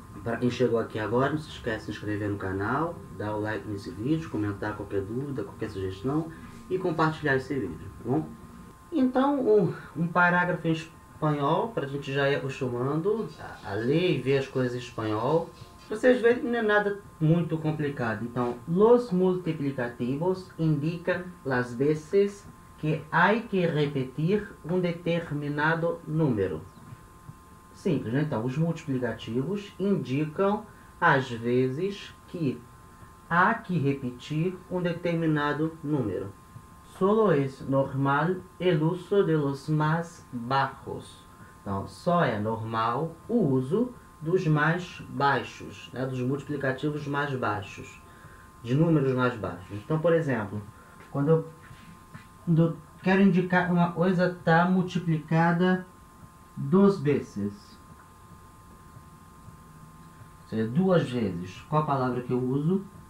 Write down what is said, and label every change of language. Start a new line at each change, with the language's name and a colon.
Portuguese: Para quem chegou aqui agora, não se esquece de se inscrever no canal, dar o like nesse vídeo, comentar qualquer dúvida, qualquer sugestão e compartilhar esse vídeo, tá bom? Então, um parágrafo em espanhol, para a gente já ir acostumando a ler e ver as coisas em espanhol. Vocês veem que não é nada muito complicado.
Spanish: Então, los multiplicativos indican las veces que hay que repetir un determinado número.
Portuguese: Simples, né? Então, os multiplicativos indicam as vezes que há que repetir um determinado número.
Spanish: Solo es normal el uso de los más bajos.
Portuguese: Então, só é normal o uso dos mais baixos, né? Dos multiplicativos mais baixos, de números mais baixos. Então, por exemplo, quando eu quero indicar uma coisa está multiplicada duas vezes, ou seja, duas vezes, qual a palavra que eu uso?